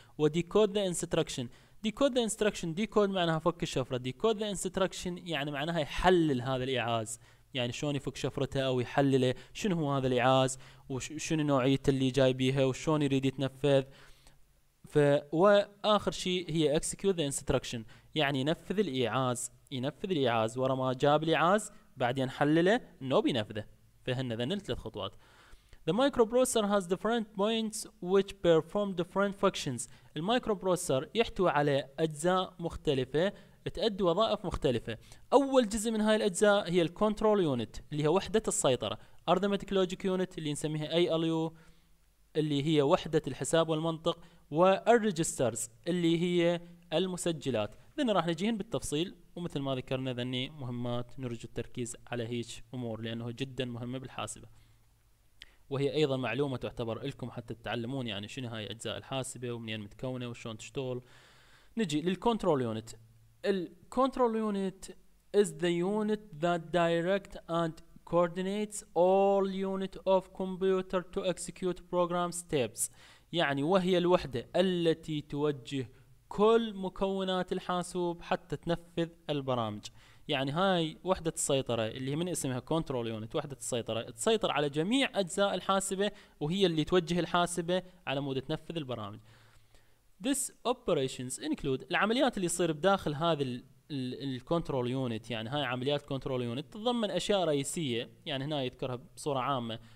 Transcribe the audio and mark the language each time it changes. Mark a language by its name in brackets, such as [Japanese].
[Arabic] وديكود ذا انستراكشن، ديكود ذا انستراكشن، ديكود معناها فك الشفرة، ديكود ذا انستراكشن يعني معناها يحلل هذا الإعاز، يعني شلون يفك شفرته او يحلله، شنو هو هذا الإعاز وشنو نوعيته اللي جاي بيها وشلون يريد يتنفذ. واخر شيء هي [English] execute the instruction، [Arabic] يعني ينفذ الإعاز، ينفذ الإعاز ورا ما جاب الإعاز بعدين حلله انه بينفذه. فهن ذن الثلاث خطوات. [English] The microprocessor has different points which perform different functions. [Arabic] المايكروبروسر يحتوي على اجزاء مختلفه تؤدي وظائف مختلفة. أول جزء من هاي الأجزاء هي الكنترول يونت اللي هي وحدة السيطرة، أرثمتيك لوجيك يونت اللي نسميها ALU اللي هي وحدة الحساب والمنطق، والريجسترز اللي هي المسجلات. ذن راح نجيهن بالتفصيل، ومثل ما ذكرنا ذني مهمات نرجو التركيز على هيش أمور لأنه جدا مهمة بالحاسبة، وهي أيضا معلومة تعتبر لكم حتى تتعلمون يعني شنو هاي أجزاء الحاسبة ومنين متكونة وشون تشتغل. نجي للكنترول يونت. [English] الكنترول unit is the unit that direct and coordinates all unit of computer to execute program steps، [Arabic] يعني وهي الوحدة التي توجه كل مكونات الحاسوب حتى تنفذ البرامج. يعني هاي وحدة السيطرة اللي من اسمها control unit، وحدة السيطرة تسيطر على جميع أجزاء الحاسبة وهي اللي توجه الحاسبة على مود تنفذ البرامج. [English] This operations include [Arabic] العمليات اللي يصير بداخل هذه ال control unit، يعني هاي عمليات control unit تضمن أشياء رئيسية يعني هنا يذكرها بصورة عامة.